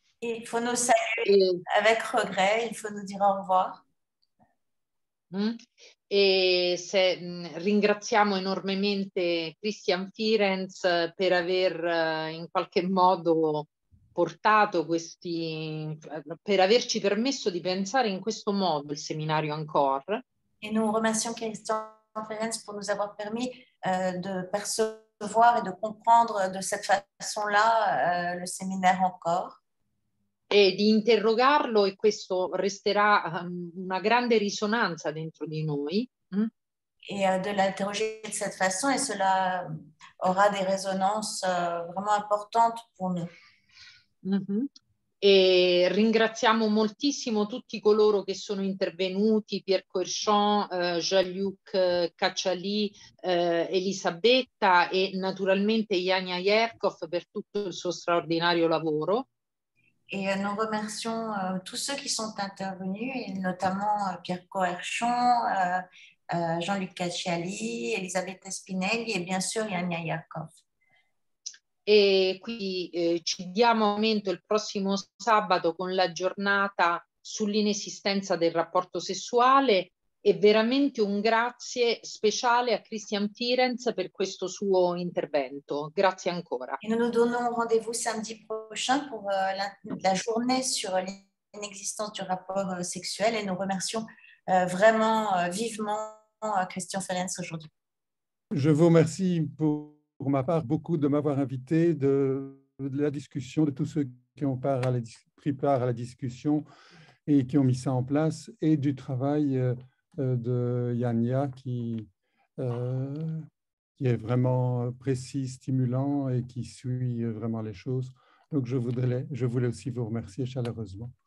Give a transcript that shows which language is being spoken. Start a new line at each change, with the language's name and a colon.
French: Il faut nous saluer avec regret, il faut nous dire au revoir.
Italian: E se ringraziamo enormemente Christian Firenz per aver in qualche modo portato questi, per averci permesso di pensare in questo modo il seminario ANCOR. E noi ringraziamo Christian Firenz per
French: nous avoir permis de percevoir et de comprendre de cette façon-là le seminario ANCOR.
Italian: E di interrogarlo, e questo resterà una grande risonanza dentro di noi.
French: E de l'interroger de cette façon, et cela aura des résonances vraiment importantes pour nous.
Italian: E ringraziamo moltissimo tutti coloro che sono intervenuti: Pierre Coerchant, Jean-Luc Cacciali, Elisabetta e naturalmente Yania Yerkov per tutto il suo straordinario lavoro.
French: Et nous remercions tous ceux qui sont intervenus, et notamment Pierre Coerchon, Jean-Luc Cacciali, Elisabetta Spinelli et bien sûr Yania Yerkov.
Italian: Et qui ci diamo momento il prossimo sabato con la giornata sull'inesistenza del rapporto sessuale, e veramente un grazie speciale a Christian Firenz per questo suo intervento. Grazie ancora.
French: Et nous nous donnons rendez-vous samedi prochain pour la journée sur l'inexistence du rapport sexuel, et nous remercions vraiment vivement Christian Firenz aujourd'hui. Je vous remercie pour ma part beaucoup de m'avoir invité, de la discussion, de tous ceux qui ont pris part à la discussion et qui ont mis ça en place, et du travail de Yania qui est vraiment précis, stimulant et qui suit vraiment les choses. Donc je voulais aussi vous remercier chaleureusement.